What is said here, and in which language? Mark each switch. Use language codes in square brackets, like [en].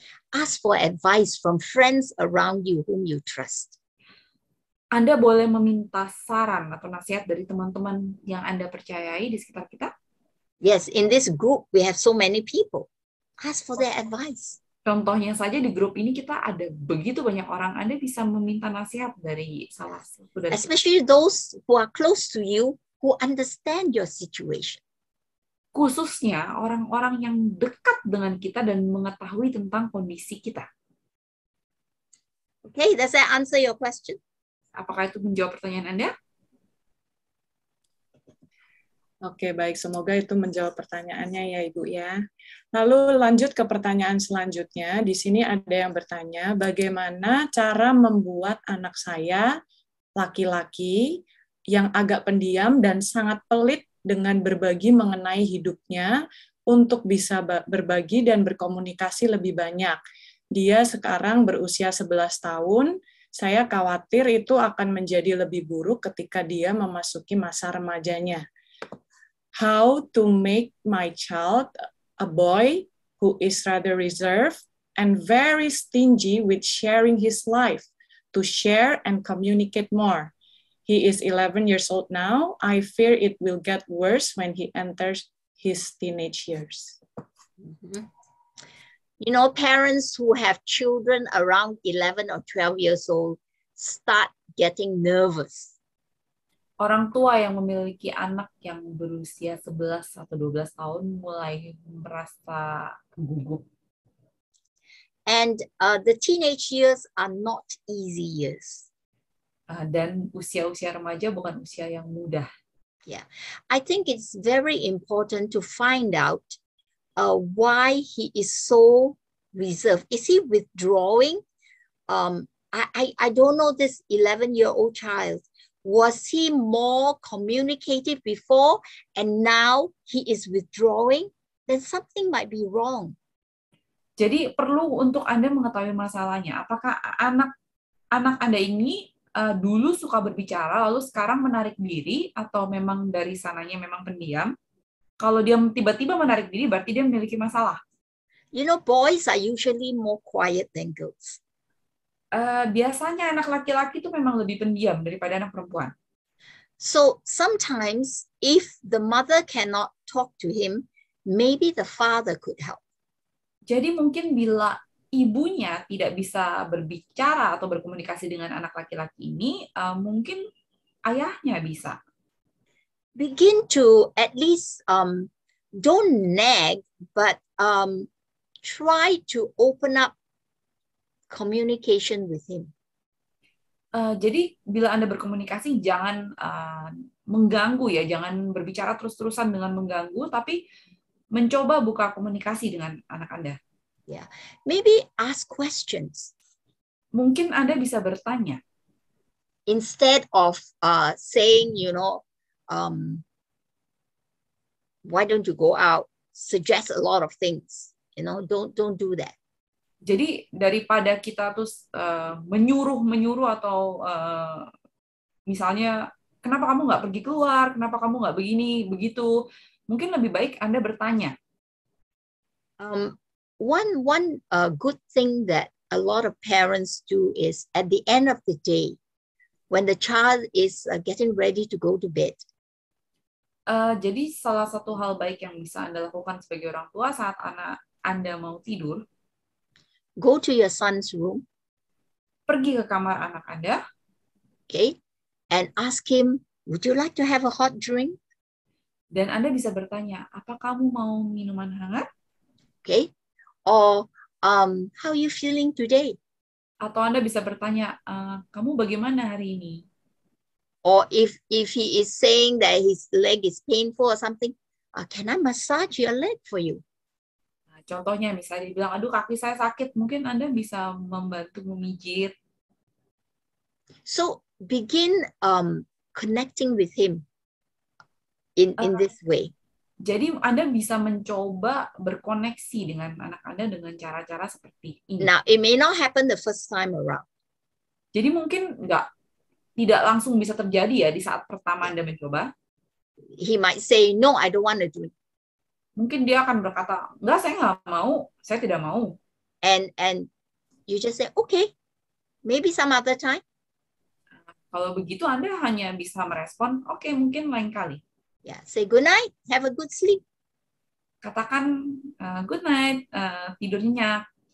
[en] Ask for advice from friends around you whom you trust. [id] Anda boleh meminta saran atau nasihat dari teman-teman yang Anda percayai di sekitar kita? [en] Yes, in this group we have so many people. Ask for their advice. [id] Contohnya saja di grup ini kita ada begitu banyak orang. Anda bisa meminta nasihat dari salah satu dari [en] especially [id] kita. [en] Those who are close to you who understand your situation. [id] Khususnya orang-orang yang dekat dengan kita dan mengetahui tentang kondisi kita. [en] Okay, does that answer your question? [id] Apakah itu menjawab pertanyaan Anda? Okay, baik. Semoga itu menjawab pertanyaannya ya, Ibu ya. Lalu lanjut ke pertanyaan selanjutnya. Di sini ada yang bertanya, bagaimana cara membuat anak saya, laki-laki, yang agak pendiam dan sangat pelit dengan berbagi mengenai hidupnya untuk bisa berbagi dan berkomunikasi lebih banyak. Dia sekarang berusia 11 tahun, saya khawatir itu akan menjadi lebih buruk ketika dia memasuki masa remajanya. [en] How to make my child a boy who is rather reserved and very stingy with sharing his life to share and communicate more? He is 11 years old now. I fear it will get worse when he enters his teenage years. Mm-hmm. You know, parents who have children around 11 or 12 years old start getting nervous. [id] Orang tua yang memiliki anak yang berusia 11 atau 12 tahun mulai merasa gugup. [en] And the teenage years are not easy years. [id] Dan usia-usia remaja bukan usia yang mudah. [en] Yeah, I think it's very important to find out why he is so reserved. Is he withdrawing? I don't know this 11-year-old child. Was he more communicative before and now he is withdrawing? Then something might be wrong. [id] Jadi perlu untuk Anda mengetahui masalahnya. Apakah anak Anda ini dulu suka berbicara, lalu sekarang menarik diri, atau memang dari sananya memang pendiam? Kalau dia tiba-tiba menarik diri, berarti dia memiliki masalah. [en] You know, boys are usually more quiet than girls. [id] Biasanya anak laki-laki itu memang lebih pendiam daripada anak perempuan. [en] So, sometimes if the mother cannot talk to him, maybe the father could help. [id] Jadi mungkin bila ibunya tidak bisa berbicara atau berkomunikasi dengan anak laki-laki ini, mungkin ayahnya bisa. [en] Begin to at least don't nag, but try to open up communication with him. [id] Jadi bila Anda berkomunikasi, jangan mengganggu ya, jangan berbicara terus-terusan dengan mengganggu, tapi mencoba buka komunikasi dengan anak Anda. [en] Yeah, maybe ask questions. [id] Mungkin Anda bisa bertanya. [en] Instead of saying, you know, why don't you go out? Suggest a lot of things. You know, don't do that. [id] Jadi daripada kita terus menyuruh atau misalnya kenapa kamu nggak pergi keluar? Kenapa kamu nggak begini begitu? Mungkin lebih baik Anda bertanya. [en] One good thing that a lot of parents do is at the end of the day, when the child is getting ready to go to bed. [id] Jadi salah satu hal baik yang bisa Anda lakukan sebagai orang tua saat anak Anda mau tidur. [en] Go to your son's room. [id] Pergi ke kamar anak Anda. [en] Okay, and ask him, would you like to have a hot drink? [id] Dan Anda bisa bertanya, apa kamu mau minuman hangat? [en] Okay. Or how are you feeling today? [id] Atau Anda bisa bertanya, kamu bagaimana hari ini? [en] Or if he is saying that his leg is painful or something, can I massage your leg for you? [id] Nah, contohnya misalnya dibilang, aduh kaki saya sakit, mungkin Anda bisa membantu memijit. [en] So begin connecting with him in this way. [id] Jadi Anda bisa mencoba berkoneksi dengan anak Anda dengan cara-cara seperti ini. [en] Now it may not happen the first time around. [id] Jadi mungkin tidak langsung bisa terjadi ya di saat pertama Anda mencoba. [en] He might say no, I don't want to do it. [id] Mungkin dia akan berkata, enggak, saya nggak mau, saya tidak mau. [en] And you just say okay, maybe some other time. [id] Kalau begitu Anda hanya bisa merespon, okay, mungkin lain kali. [en] Yeah, say good night, have a good sleep. [id] Katakan [en] good night, [id] tidur nyenyak.